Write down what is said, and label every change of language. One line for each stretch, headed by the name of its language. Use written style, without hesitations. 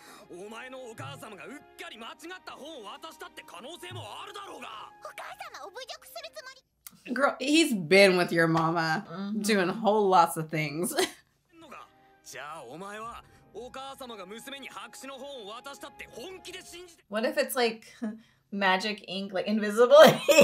Japanese: お前のお母様がうっかり間違った本を渡したって可能性もあるだろうが。お母様を侮辱するつもり。
English: Girl, he's been with your mama, doing whole lots of things.
Japanese: じゃあお前はお母様が娘に白紙の本を渡したって本気で信じて。
English: What if it's like magic ink, like invisible ink?